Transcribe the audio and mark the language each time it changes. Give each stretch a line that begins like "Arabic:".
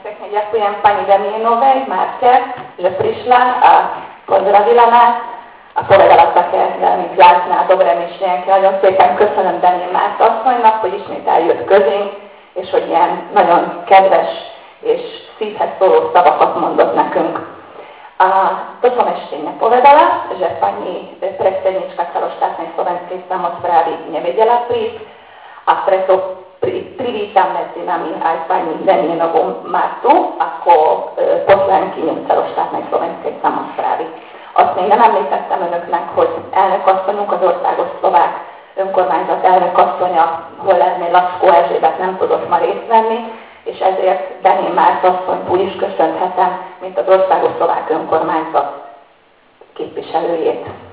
Slovak: Ďakujem pani Danienovej, Márke, že prišla a pozdravila nás a povedala také veľmi vzácne a dobré myšlienky.
Hungarian: Nagyon szépen köszönöm Danie Márta asszonynak, hogy ismét eljött közénk, és hogy ilyen nagyon kedves és szívhez szóló szavakat mondott nekünk.
Slovak: A Tocom Estényne povedala, že pani predsednička celoštátnej slovenskej samosprávy nevedela prísť a preto privítam medzi nami aj pani Danienovú Martu ako poslankyňu celoštátnej slovenskej samosprávy.
Hungarian: Azt még nem említettem önöknek, hogy elnökasszonyunk, az országos szlovák önkormányzat elnökasszonya, hol lenni Laskó Erzsébet nem tudott ma részt venni, és ezért Danien Márta asszonyt úgy is köszönhetem, mint az országos szlovák önkormányzat képviselőjét.